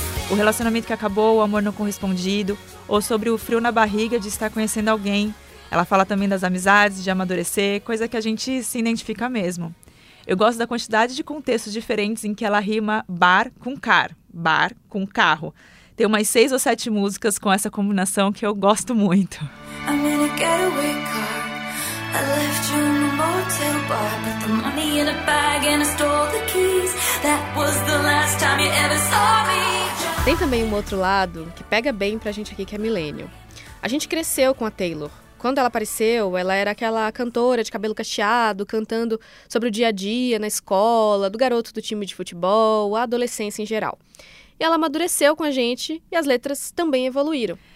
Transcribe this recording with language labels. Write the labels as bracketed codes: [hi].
[pt] O relacionamento que acabou, o amor não correspondido, ou sobre o frio na barriga de estar conhecendo alguém. Ela fala também das amizades, de amadurecer, coisa que a gente se identifica mesmo. Eu gosto da quantidade de contextos diferentes em que ela rima bar com car, bar com carro. tem umas 6 ou 7 músicas com essa combinação que eu gosto muito. [en] I'm in a getaway car. I left you in a motel bar. Put the money in a bag and I stole the keys. That was the last time you ever saw me. [pt] Tem também um outro lado que pega bem pra gente aqui que é milênio. A gente cresceu com a Taylor. Quando ela apareceu, ela era aquela cantora de cabelo cacheado, cantando sobre o dia a dia, na escola, do garoto do time de futebol, a adolescência em geral. E ela amadureceu com a gente e as letras também evoluíram.